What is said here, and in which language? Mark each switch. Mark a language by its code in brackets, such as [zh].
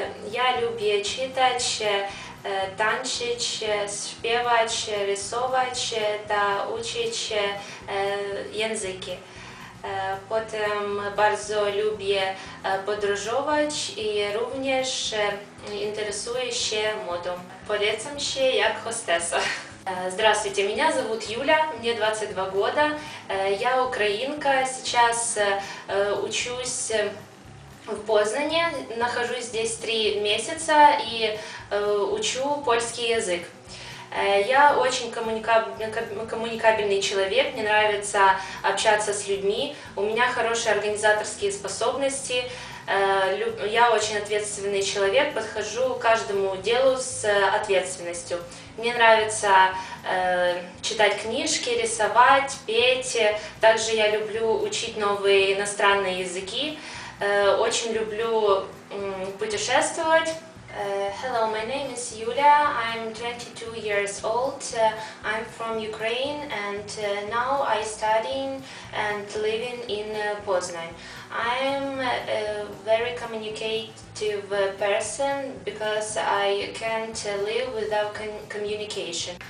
[uk] Я люблю читати, танчити, співати, рисувати та учити язики. Потім дуже люблю подорожувати і також інтересуюся модою. Поліцем ще як хостеса. [ru] Здравствуйте, меня зовут Юля, мне 22 года, я украинка, сейчас учусь в Познане, нахожусь здесь 3 месяца и учу польский язык. Я очень коммуникабельный человек, мне нравится общаться с людьми, у меня хорошие организаторские способности, я очень ответственный человек, подхожу к каждому делу с ответственностью. Мне нравится читать книжки, рисовать, петь, также я люблю учить новые иностранные языки. Очень люблю путешествовать. [en] Hello, my name is Yulia. I'm 22 years old. I'm from Ukraine and now I studying and living in Poznan. I'm a very communicative person because I can't live without communication.